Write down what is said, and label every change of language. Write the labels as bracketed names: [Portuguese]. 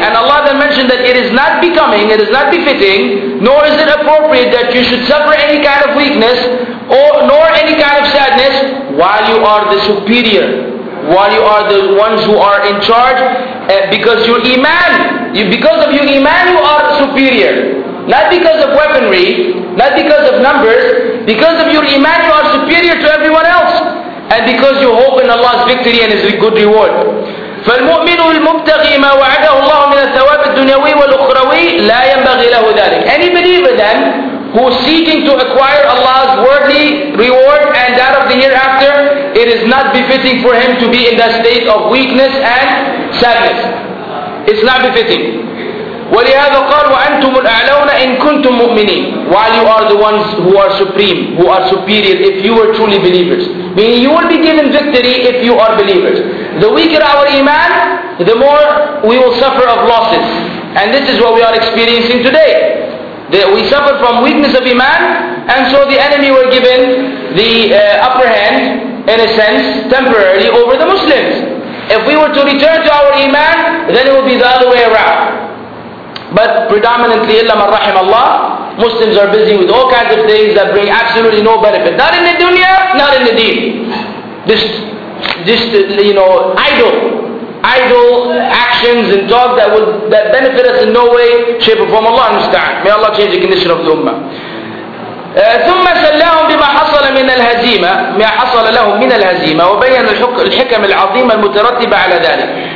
[English] And Allah then mentioned that it is not becoming, it is not befitting, nor is it appropriate that you should suffer any kind of weakness or nor any kind of sadness while you are the superior, while you are the ones who are in charge, because your iman, because of your iman you are superior. Not because of weaponry, not because of numbers, because of your iman you are superior to everyone else, and because you hope in Allah's victory and His good reward. [Arabic] فالمؤمن المبتغي ما وعده الله من الثواب الدنيوي والأخروي لا ينبغي له ذلك. [English] Any believer then who is seeking to acquire Allah's worldly reward and that of the hereafter, it is not befitting for him to be in that state of weakness and sadness. It's not befitting. [Arabic] ولهذا قال وأنتم الأعلون إن كنتم مؤمنين. [English] While you are the ones who are supreme, who are superior, if you are truly believers. Meaning you will be given victory if you are believers. The weaker our iman, the more we will suffer of losses. And this is what we are experiencing today. We suffer from weakness of iman, and so the enemy were given the upper hand, in a sense, temporarily over the Muslims. If we were to return to our iman, then it would be the other way around. But predominantly, [Arabic] illa man rahim Allah, [English] Muslims are busy with all kinds of things that bring absolutely no benefit. Not in the dunya, not in the deen. Just you know, idle actions and talk that benefit us in no way, shape or form. [Arabic] Allah musta'an. [English] May Allah change the condition of the ummah. [Arabic] ثم سلاهم بما حصل من الهزيمة ما حصل لهم من الهزيمة وبين الحكم العظيمة المترتبة على ذلك.